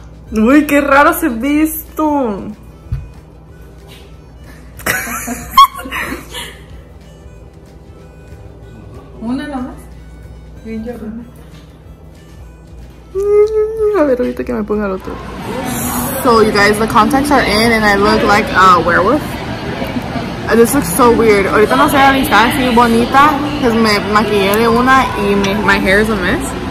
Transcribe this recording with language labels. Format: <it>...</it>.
<es>Uy, qué raro se ha visto. Una nomás. A ver, ahorita que me ponga el otro.</es> <en>So you guys, the contacts are in and I look like a werewolf. This looks so weird.</en> <es>Ahorita no sé ni está así bonita, pues me maquillé de una y</es> <en>my hair is a mess.</en>